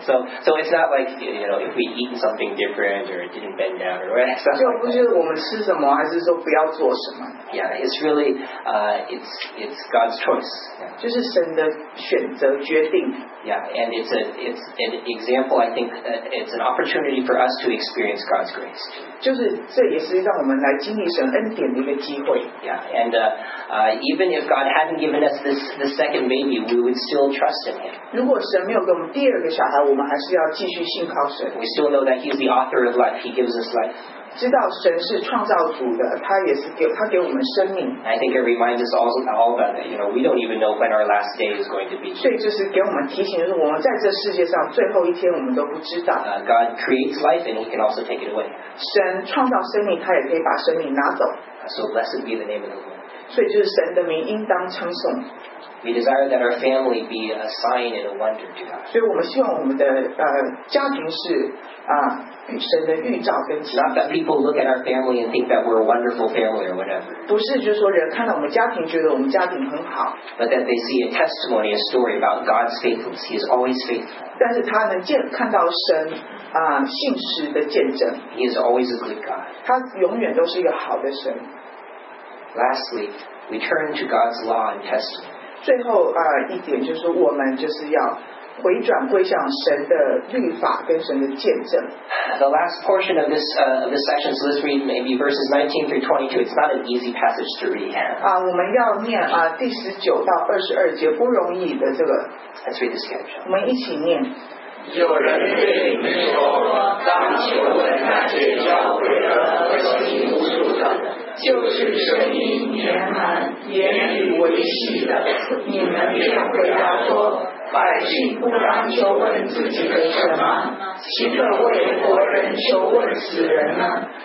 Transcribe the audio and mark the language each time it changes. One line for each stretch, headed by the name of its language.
English: So it's not like, you know, if we eat something different or it didn't bend down or whatever.
Chinese: 就不是我们吃什么还是说不要做什么
English: Yeah, it's really it's God's choice. Yeah.
Chinese: 就是神的选择决定
English: Yeah, and it's an example, I think, it's an opportunity for us to experience God's grace.
Chinese: 就是这也是让我们来经历神恩典的一个机会 Yeah.
English: And even if God hadn't given us this second baby, we would still trust in Him.
Chinese: 如果神没有给我们第二个小孩，我们还是要继续信靠神。
English: We still know that He's the author of life. He gives us life.
Chinese: 知道神是创造主的，他也是给他给我们生命。
English: I think it reminds us all about that. You know, we don't even know when our last day is going to be.
Chinese: 所以就是给我们提醒，就是我们在这世界上最后一天，我们都不知道。
English: God creates life, and He can also take it away.
Chinese: 神创造生命，他也可以把生命拿走。
English: So blessed be the name of the Lord.
Chinese: 所以就是神的名应当称颂。
English: We desire that our family be a sign and a wonder to God.
Chinese: 所以我们希望我们的家庭是神的预兆跟奇迹。
English: Not that people look at our family and think that we're a wonderful family or whatever.
Chinese: 不是就是说人看到我们家庭觉得我们家庭很好。
English: But that they see a testimony, a story about God's faithfulness. He is always faithful.
Chinese: 但是他能看到神信实的见证。
English: He is always a good God.
Chinese: 他永远都是一个好的神。
English: Lastly, we turn to God's law and testimony.
Chinese: 最后一点就是我们就是要回转归向神的律法跟神的见证。
English: The last portion of this, of this section, so let's read maybe verses 19 through 22. It's not an easy passage to read.
Chinese: 我们要念第19到22节，不容易的这个。
English: Let's read this again.
Chinese: 我们一起念。有人对你们说，当求问那些教诲的和行无数的，就是声音绵寒，言语微细的，你们便回答说，百姓不当求问自己的什么，岂可为活人求问死人呢？